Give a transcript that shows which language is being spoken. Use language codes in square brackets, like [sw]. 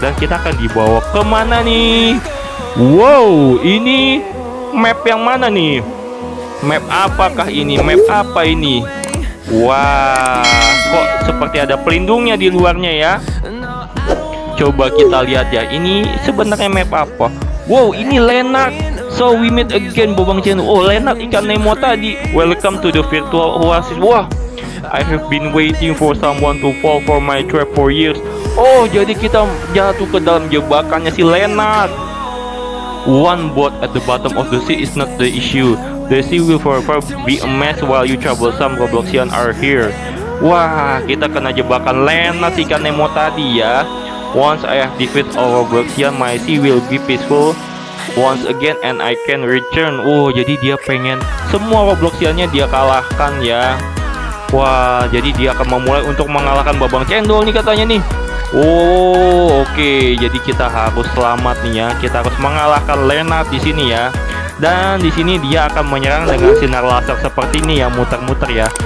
[id] Dan kita akan dibawa kemana nih? Wow, ini map yang mana nih? Map apakah ini? Map apa ini? Wah, kok seperti ada pelindungnya di luarnya ya? Coba kita lihat ya, ini sebenarnya map apa? Wow, ini Leonard. [en] So we meet again, Babang Channel. [id] Oh, Leonard ikan Nemo tadi. [en] Welcome to the virtual oasis. Wah, I have been waiting for someone to fall for my trap for years. [id] Oh, jadi kita jatuh ke dalam jebakannya si Leonard. [en] One boat at the bottom of the sea is not the issue. The sea will forever be a mess while you travel. Some Robloxian are here. [id] Wah, kita kena jebakan Leonard ikan Nemo tadi ya. [en] Once I have defeated all Robloxian, my sea will be peaceful once again and I can return. [id] Oh, jadi dia pengen semua Robloxiannya dia kalahkan ya. Wah, jadi dia akan memulai untuk mengalahkan Babang Cendol nih katanya nih. Oh, oke. Okay. Jadi kita harus selamat nih ya. Kita harus mengalahkan Leonard di sini ya. Dan di sini dia akan menyerang dengan sinar laser seperti ini ya, muter-muter ya.